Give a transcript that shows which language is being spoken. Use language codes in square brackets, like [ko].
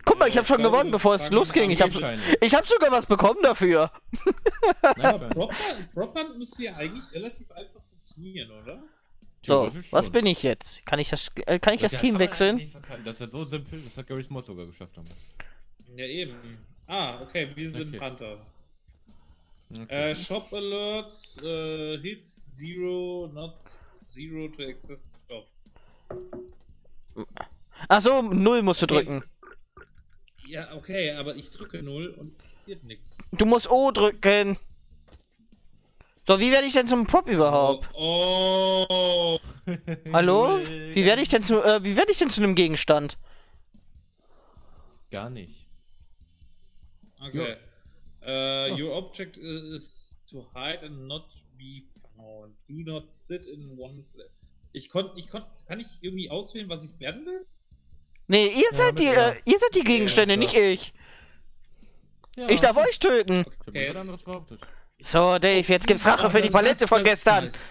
[de] Guck mal, ich hab schon gewonnen, bevor es losging. Ich hab sogar was bekommen dafür. Prop-Hunt müsste ja eigentlich relativ einfach funktionieren, oder? So, was bin ich jetzt? Kann ich das Team wechseln? Das ist ja so simpel, das hat Gary Smalls sogar geschafft haben. Ja, eben. Ah, okay, wir sind okay. Hunter. Okay. [en] Shop Alerts, hit zero, not zero to access the shop. [de] Ach so, null musst du drücken. Ja, okay, aber ich drücke 0 und es passiert nichts. Du musst O drücken. So, wie werde ich denn zum Prop überhaupt? Oh. Hallo? Wie werde ich denn zu einem Gegenstand? Gar nicht. Okay. [en] Your object is to hide and not be found. Do not sit in one place. [de] Kann ich irgendwie auswählen, was ich werden will? Nee, ihr seid die Gegenstände, ja, nicht ich. Ja. Ich darf euch töten. Okay. Ich hab anderes behauptet. So, Dave, jetzt gibt's Rache für die Palette von gestern.